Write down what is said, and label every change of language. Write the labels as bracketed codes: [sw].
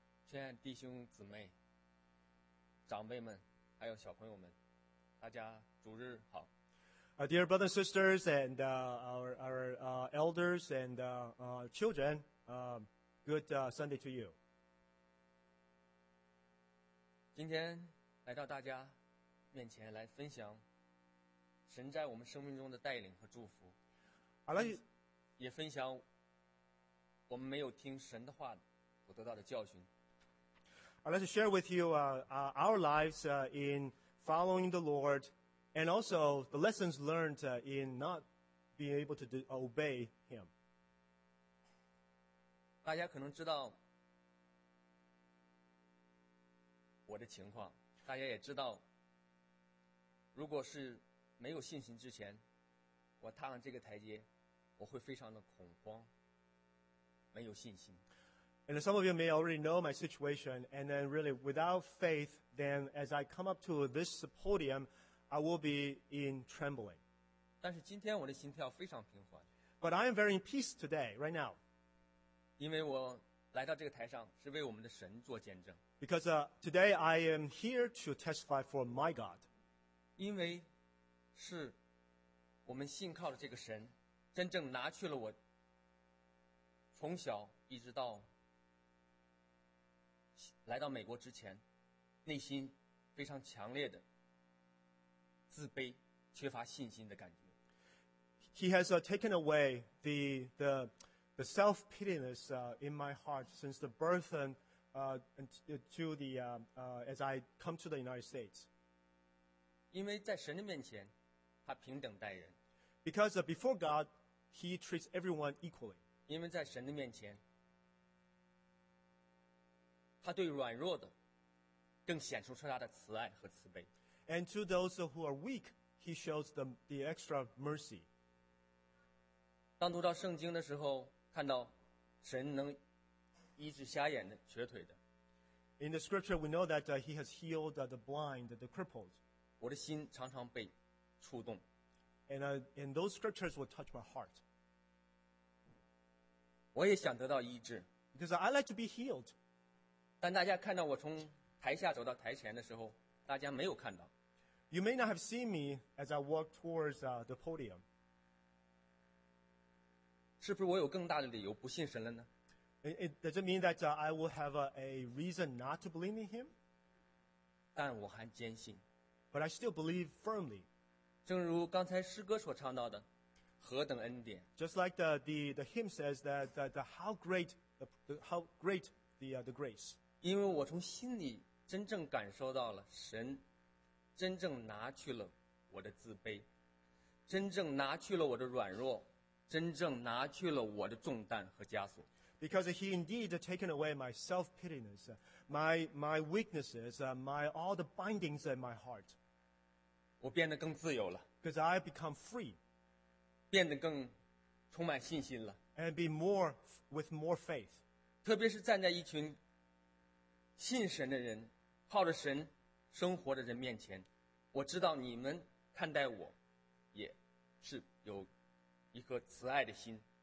[en] Dear [zh] 弟兄姊妹、长辈们，还有小朋友们，大家主日好。 [en] Dear brothers, sisters, and our elders and children, good Sunday to you. [zh] 今天来到大家面前来分享神在我们生命中的带领和祝福。好了，也分享我们没有听神的话所得到的教训。 [en] I'd like to share with you our lives in following the Lord, and also the lessons learned in not being able to obey Him. [zh] 大家可能知道我的情况，大家也知道，如果是没有信心之前，我踏上这个台阶，我会非常的恐慌，没有信心。 [en] And some of you may already know my situation, and then really without faith, then as I come up to this podium, I will be in trembling. [zh] 但是今天我的心跳非常平缓。 [en] But I am very in peace today, right now. [zh] 因为我来到这个台上是为我们的神做见证。 [en] Because today I am here to testify for my God. [zh] 因为是我们信靠的这个神真正拿去了我从小一直到来到美国之前内心非常强烈的自卑缺乏信心的感觉。 [en] He has taken away the self-pityness in my heart since the birth as I come to the United States. [zh] 因为在神的面前他平等待人。 [en] Because before God, he treats everyone equally. [zh] 因为在神的面前他对软弱的更显出他的慈爱和慈悲。 [en] And to those who are weak, he shows them the extra mercy. [zh] 当读到圣经的时候，看到神能医治瞎眼的、瘸腿的。 [en] In the scripture, we know that he has healed the blind, the crippled. [zh] 我的心常常被触动。 [en] And those scriptures will touch my heart. [zh] 我也想得到医治。 [en] Because I like to be healed. [zh] 但大家看到我从台下走到台前的时候，大家没有看到。 [en] You may not have seen me as I walk towards the podium. [zh] 是不是我有更大的理由不信神了呢？ [en] Does it mean that I will have a reason not to believe in Him? [zh] 但我还坚信。 [en] But I still believe firmly. [zh] 正如刚才诗歌所唱到的，何等恩典。 [en] Just like the hymn says that the how great the how great. The grace. [zh] 因为我从心里真正感受到了神真正拿去了我的自卑，真正拿去了我的软弱，真正拿去了我的重担和枷锁。 [en] Because he indeed has taken away my self-pityness, my weaknesses, all the bindings in my heart. [zh] 我变得更自由了。 [en] Because I become free. [zh] 变得更充满信心了。 [en] And be more with more faith. [zh] 特别是站在一群信神的人靠着神生活的人面前，我知道你们看待我也是有一颗慈爱的心。